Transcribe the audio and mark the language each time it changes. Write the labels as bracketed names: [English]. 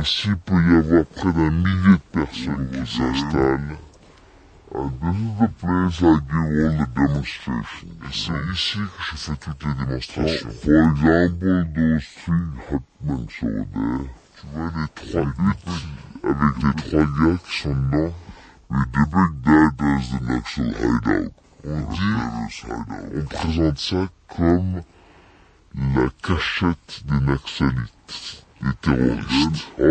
[French] Ici, il peut y avoir près d'un millier de personnes qui s'installent. [English] And this is the place I give all the demonstrations. [French] Et c'est ici que je fais toutes les démonstrations. [English] For example, those three hutments over there. [French] Tu vois les trois huttes avec les trois gars qui sont dedans. [English] We depict that as the Naxal hideout. [French] On dit, on présente ça comme la cachette des Naxalites, des terroristes.